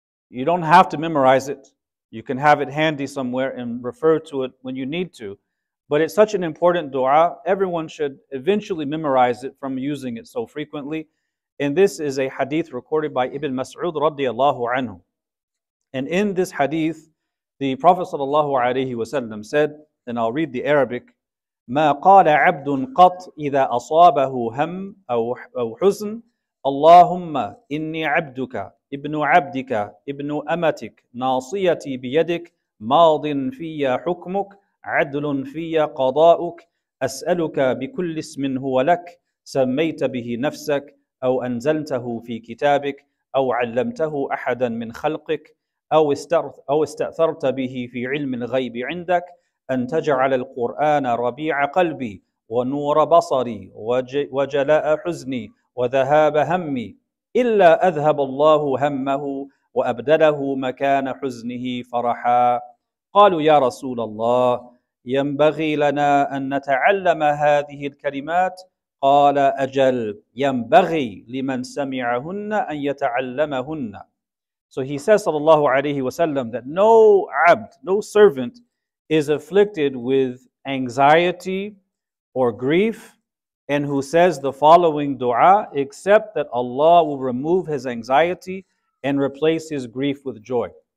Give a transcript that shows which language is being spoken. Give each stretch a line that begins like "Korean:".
English: You don't have to memorize it. You can have it handy somewhere and refer to it when you need to. But it's such an important dua, everyone should eventually memorize it from using it so frequently. And this is a hadith recorded by Ibn Mas'ud radiallahu anhu. And in this hadith, the Prophet sallallahu alayhi wasallam said, and I'll read the Arabic,
Arabic: مَا قَالَ عَبْدٌ قَطْ إِذَا أَصَابَهُ هَمْ أَوْ حُزْنٌ أَلَّهُمَّ إِنِّي عَبْدُكَ إِبْنُ عَبْدِكَ إِبْنُ أَمَتِكَ نَاصِيَتِي بِيَدِكَ مَاضٍ فِيَّ حُكْمُكَ عَدْلٌ فِيَّ قَضَاءُكَ أَسْأَلُكَ بِكُلِّ اسْمٍ هُوَ لَكَ سَمَّيْتَ بِهِ نَفْسَكَ أَوْ أَنْزَلْتَهُ فِي كِتَابِكَ أَوْ عَلَّمْتَهُ أَحَدًا مِنْ خَلْقِكَ أَوْ اسْتَأْثَرْتَ بِهِ فِي عِلْمِ الْغَيْبِ عِنْدَكَ أن تجعل القرآن ربيع قلبي ونور بصري وجلاء حزني وذهاب همي إلا أذهب الله همه وأبدله مكان حزنه فرحا قالوا يا رسول الله ينبغي لنا أن نتعلم هذه الكلمات قال أجل ينبغي لمن سمعهن أن يتعلمهن.
English: So he says
Arabic: صلى الله عليه وسلم
English: that no abd, no servant is afflicted with anxiety or grief, and who says the following dua, except that Allah will remove his anxiety and replace his grief with joy.